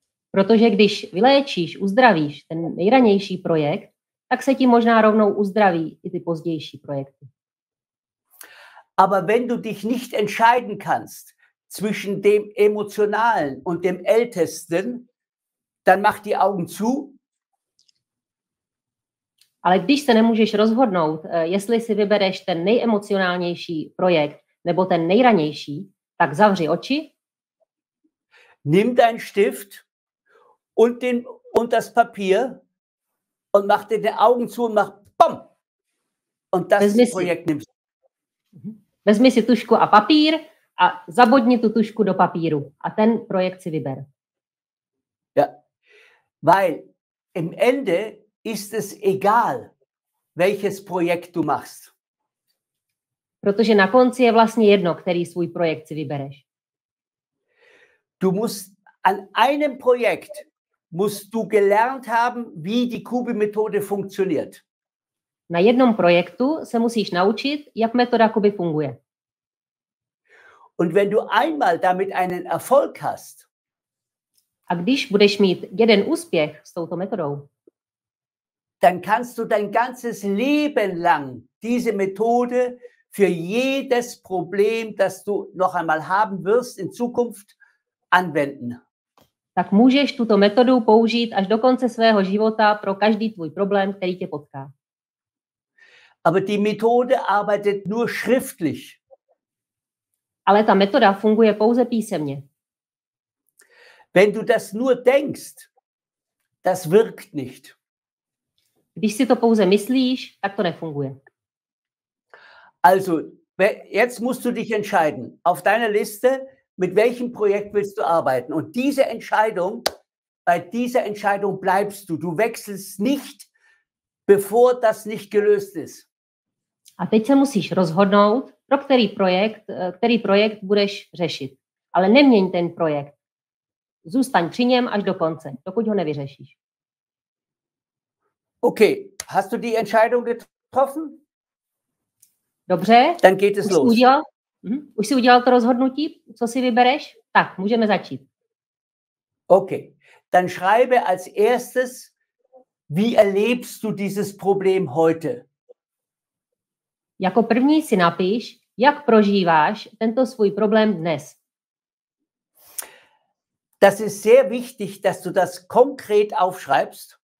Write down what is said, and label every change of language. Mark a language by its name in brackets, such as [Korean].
[Czech] Protože když vyléčíš, uzdravíš ten nejranější projekt, tak se ti možná rovnou uzdraví i ty pozdější projekty. [German] Aber wenn du dich nicht entscheiden kannst, zwischen dem emotionalen und dem ältesten, dann mach die Augen zu. [Czech] Ale když se nemůžeš rozhodnout, jestli si vybereš ten nejemocionálnější projekt nebo ten nejranější, tak zavři oči. [German] Nimm dein Stift und das Papier und mach dir die Augen zu und mach bam. Und das Projekt nimmst. [Czech] Vezmi si tušku a papír. A zabodni tu tušku do papíru a ten projekt si vyber. [German] Ja. Weil im Ende ist es egal, welches Projekt du machst. [Czech] Protože na konci je vlastně jedno, který svůj projekt si vybereš. [German] Du musst an einem Projekt musst du gelernt haben, wie die Kubi-Methode funktioniert. [Czech] Na jednom projektu se musíš naučit, jak metoda Kubi funguje. [German] Und wenn du einmal damit einen Erfolg hast, [Czech] a když budeš mít jeden úspěch s touto metodou, [German] dann kannst du dein ganzes Leben lang diese Methode für jedes Problem, das du noch einmal haben wirst in Zukunft, anwenden. [Czech] Tak můžeš tuto metodu použít až do konce svého života pro každý tvůj problém, který tě potká. [German] Aber die Methode arbeitet nur schriftlich. [Czech] Ale ta metoda funguje pouze písemně. [German] Wenn du das nur denkst, das wirkt nicht. [Czech] Když si to pouze myslíš, tak to nefunguje. [German] Also, jetzt musst du dich entscheiden. Auf deiner Liste, mit welchem Projekt willst du arbeiten? Und diese Entscheidung, bei dieser Entscheidung bleibst du. Du wechselst nicht, bevor das nicht gelöst ist. [Czech] A teď se musíš rozhodnout, pro který projekt budeš řešit. Ale neměň ten projekt. Zůstaň při něm až do konce, dokud ho nevyřešíš. [German] OK, hast du die Entscheidung getroffen? [Czech] Dobře. [German] Dann geht es los. [Czech] Už jsi udělal to rozhodnutí, co si vybereš? Tak, můžeme začít. [German] OK, dann schreibe als erstes, wie erlebst du dieses Problem heute? [Czech] Jako první si napiš, jak prožíváš tento svůj problém dnes. [German] Das ist sehr wichtig, dass du das konkret aufschreibst.